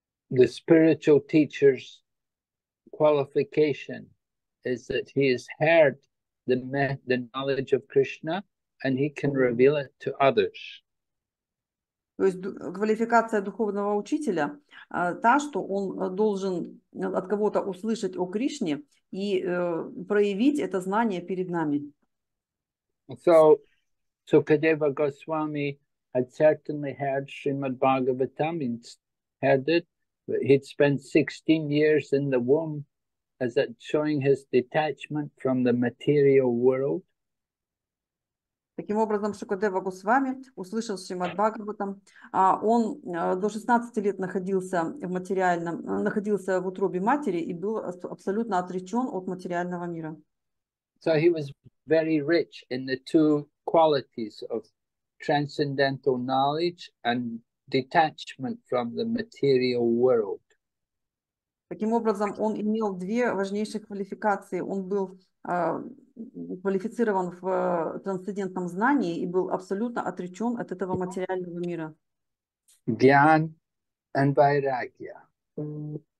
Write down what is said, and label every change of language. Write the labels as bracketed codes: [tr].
[en] The spiritual teacher's qualification is that he has heard the knowledge of Krishna and he can reveal it to others. [ru] То есть квалификация духовного учителя та, что он должен от кого-то услышать о Кришне и проявить это знание перед нами. [en] So, Sukadeva Goswami had certainly heard Srimad Bhagavatam, heard it, but he'd spent 16 years in the womb as it showing his detachment from the material world. [ru] Таким образом, Шукадева Госвами услышал Шримад Бхагаватам. Он до 16 лет находился в материальном, находился в утробе матери и был абсолютно отречен от материального мира. [en] So he was very rich in the two qualities of transcendental knowledge and detachment from the material world. [ru] Таким образом, он имел две важнейшие квалификации. Он был квалифицирован в трансцендентном знании и был абсолютно отречен от этого материального мира. [en] Gyan and Vairagya.